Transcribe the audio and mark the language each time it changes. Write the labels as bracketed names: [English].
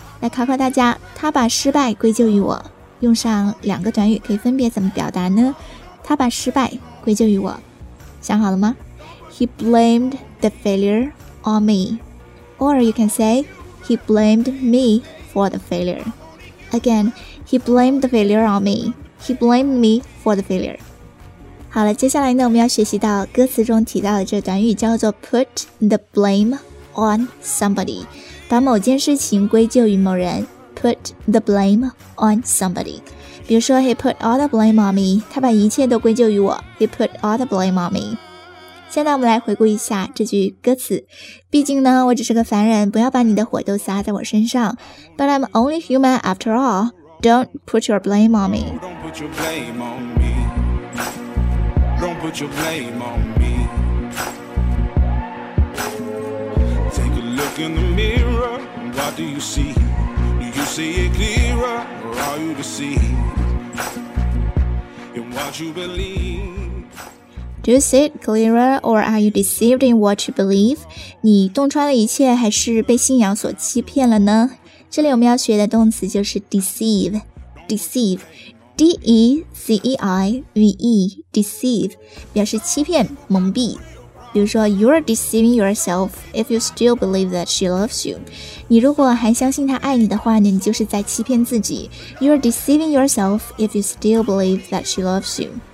[Chinese] 来考考大家，他把失败归咎于我，用上两个短语可以分别怎么表达呢？他把失败归咎于我，想好了吗？ [English] He blamed the failure on me. Or you can say,He blamed me for the failure. Again, he blamed the failure on me. He blamed me for the failure. [Chinese] 好了，接下来呢，我们要学习到歌词中提到的这个短语叫做 [English] put the blame on somebody. [Chinese] 把某件事情归咎于某人。 [English] Put the blame on somebody. [Chinese] 比如说 [English] he put all the blame on me. [Chinese] 他把一切都归咎于我。 [English] He put all the blame on me. [Chinese] 现在我们来回顾一下这句歌词。毕竟呢，我只是个凡人，不要把你的火都撒在我身上。 [English] But I'm only human after all. Don't put your blame on me. Don't put your blame on me. Don't put your blame on me. Take a look in the mirror. What do you see? Do you see it clearer? Or are you deceived? In what you believe? Do you see it clearer, or are you deceived in what you believe? [Chinese] 你洞穿了一切，还是被信仰所欺骗了呢？这里我们要学的动词就是 deceive, deceive, D-E-C-E-I-V-E, deceive, 表示欺骗、蒙蔽。比如说 [English] ,you're deceiving yourself if you still believe that she loves you. [Chinese] 你如果还相信她爱你的话呢，你就是在欺骗自己。 [English] You're deceiving yourself if you still believe that she loves you.